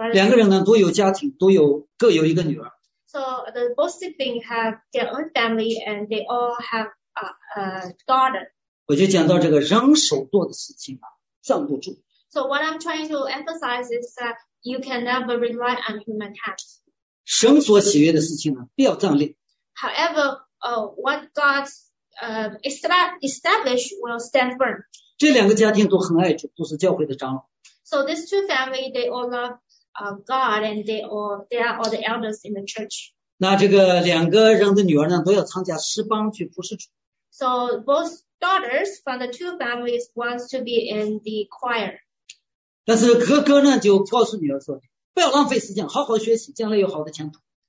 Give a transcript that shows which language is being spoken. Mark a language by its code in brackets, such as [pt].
[zh] 两个人呢都有家庭，都有各有一个女儿。 [en] So the both siblings have their own family and they all have a daughter. [zh] 我就讲到这个人手做的事情啊，站不住。 [en] So what I'm trying to emphasize is that you can never rely on human hands. [zh] 神所喜悦的事情呢，不要站立。 [en] However, what God establish will stand firm. [zh] 这两个家庭都很爱主，都是教会的长老。 [en] So these two families, they all love God, and they are all the elders in the church. [zh] 那这个两个人的女儿呢，都要参加诗班去服侍主。 [en] So both daughters from the two families wants to be in the choir. [zh] 但是哥哥呢，就告诉女儿说。不要浪费时间，好好学习，将来有好的前途。